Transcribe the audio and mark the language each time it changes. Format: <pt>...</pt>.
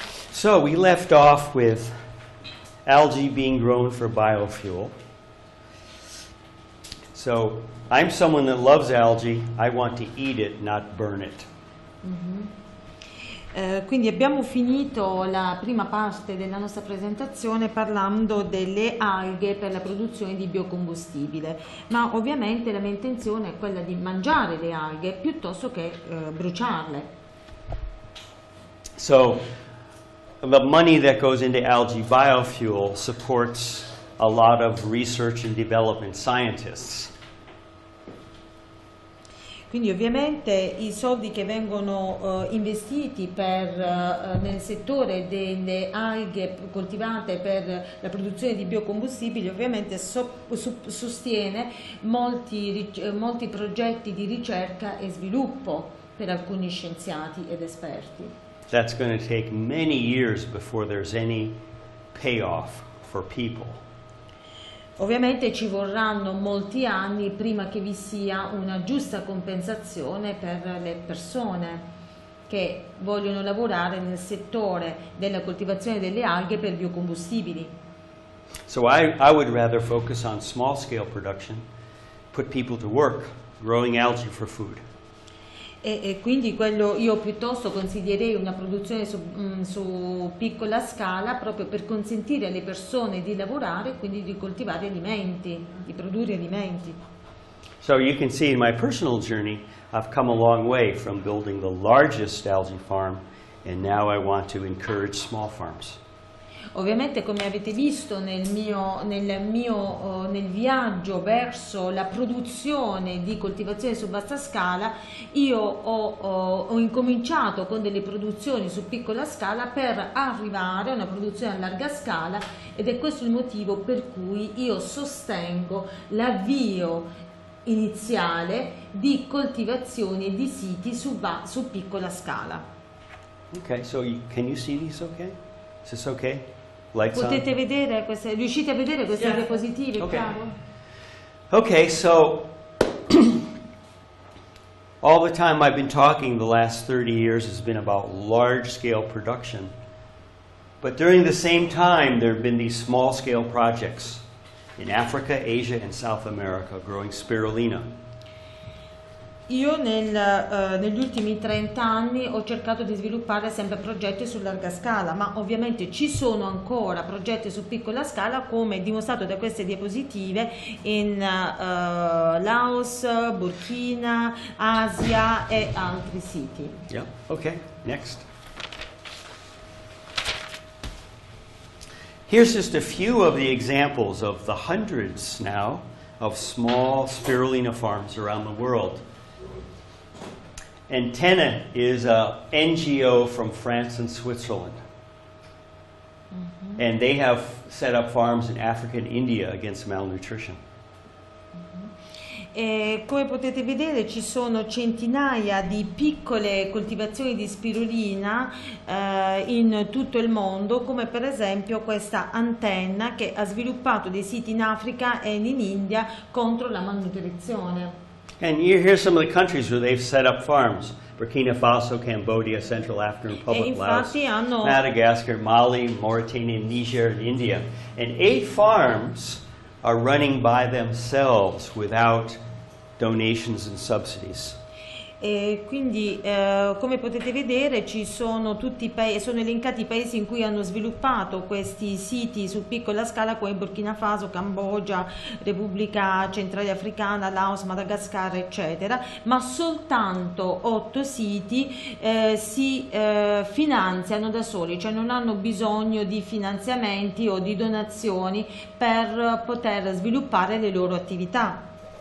<en>So, we left off with algae being grown for biofuel. So, I'm someone that loves algae. I want to eat it, not burn it.</en> <it>Quindi abbiamo finito la prima parte della nostra presentazione parlando delle alghe per la produzione di biocombustibile, ma ovviamente la mia intenzione è quella di mangiare le alghe piuttosto che bruciarle.</it> <en>So, the money that goes into algae biofuel supports a lot of research and development scientists.</en> <it>Quindi ovviamente i soldi che vengono investiti per, nel settore delle alghe coltivate per la produzione di biocombustibili ovviamente sostiene molti progetti di ricerca e sviluppo per alcuni scienziati ed esperti.</it> <en>That's going to take many years before there's any payoff for people.</en> <it>Ovviamente ci vorranno molti anni prima che vi sia una giusta compensazione per le persone che vogliono lavorare nel settore della coltivazione delle alghe per biocombustibili.</it> <en>So I would rather focus on small scale production, put people to work growing algae for food.</en> <it>E quindi quello io piuttosto consiglierei una produzione su piccola scala proprio per consentire alle persone di lavorare e quindi di coltivare alimenti, di produrre alimenti.</it> <en>So you can see in my personal journey I've come a long way from building the largest algae farm and now I want to encourage small farms.</en> <it>Ovviamente come avete visto nel viaggio verso la produzione di coltivazione su vasta scala, io ho incominciato con delle produzioni su piccola scala per arrivare a una produzione a larga scala ed è questo il motivo per cui io sostengo l'avvio iniziale di coltivazioni e di siti su piccola scala.</it> <en>Ok, so can you see this okay? Is this okay? Lights</en> <it>potete</it> <en>on.</en> <it>Vedere queste, riuscite a vedere queste</it> <en>yeah.</en> <it>diapositive?</it> <en>Okay.</en> <it>Bravo.</it> <en>Okay, so all the time I've been talking the last 30 years has been about large scale production, but during the same time there have been these small scale projects in Africa, Asia and South America growing spirulina.</en> <it>Io negli ultimi 30 anni ho cercato di sviluppare sempre progetti su larga scala, ma ovviamente ci sono ancora progetti su piccola scala, come dimostrato da queste diapositive in Laos, Burkina, Asia e altri siti.</it> <en>Yeah. Okay. Next. Here's just a few of the examples of the hundreds now of small spirulina farms around the world. Antenna is a NGO from France and Switzerland. And they have set up farms in Africa and India against malnutrition.</en> <it>E come potete vedere ci sono centinaia di piccole coltivazioni di spirulina in tutto il mondo, come per esempio questa Antenna che ha sviluppato dei siti in Africa e in India contro la malnutrizione.</it> <en>And you hear some of the countries where they've set up farms: Burkina Faso, Cambodia, Central African Republic, Laos, Madagascar, Mali, Mauritania, Niger, and India. And 8 farms are running by themselves without donations and subsidies.</en> <it>E quindi come potete vedere ci sono tutti i paesi, sono elencati i paesi in cui hanno sviluppato questi siti su piccola scala, come Burkina Faso, Cambogia, Repubblica Centrale Africana, Laos, Madagascar, eccetera, ma soltanto 8 siti si finanziano da soli, cioè non hanno bisogno di finanziamenti o di donazioni per poter sviluppare le loro attività.</it>